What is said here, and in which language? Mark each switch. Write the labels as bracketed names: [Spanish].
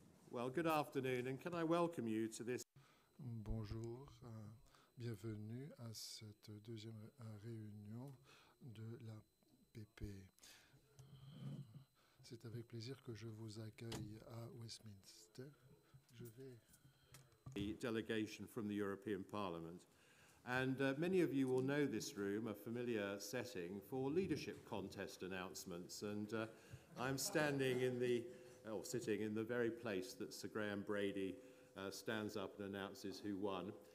[English] Well, good afternoon, and can I welcome you to this? [French] Bonjour, bienvenue à cette deuxième réunion de la PP. C'est avec plaisir que je vous accueille à Westminster. Je vais. [English] The delegation from the European Parliament, and many of you will know this room, a familiar setting for leadership contest announcements, and I'm standing in the. Or sitting in the very place that Sir Graham Brady stands up and announces who won.